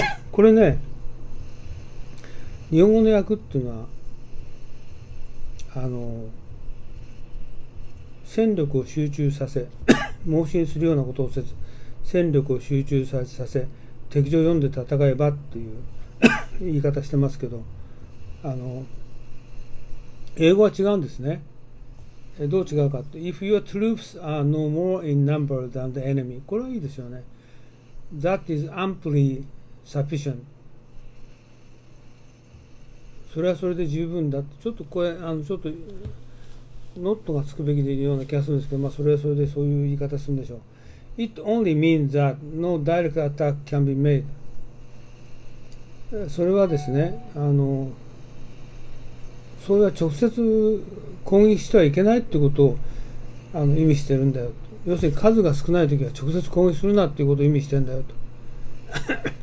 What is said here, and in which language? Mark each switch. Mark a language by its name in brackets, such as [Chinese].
[Japanese] これね、日本語の訳っていうのは、戦力を集中させ 妄信するようなことをせず、戦力を集中させ敵情を読んで戦えばっていう 言い方してますけど、英語は違うんですね。どう違うかって、 [English] If your troops are no more in number than the enemy、 [Japanese] これはいいですよね。 [English] That is amply sufficient。 [Japanese] それはそれで十分だって、ちょっとこれ、ちょっとノットがつくべきでいるような気がするんですけど、まあそれはそれでそういう言い方するんでしょう。 [English] It only means that no direct attack can be made。 [Japanese] それはですね、それは直接攻撃してはいけないってことを意味してるんだよと。要するに数が少ない時は直接攻撃するなっていうことを意味してんだよと。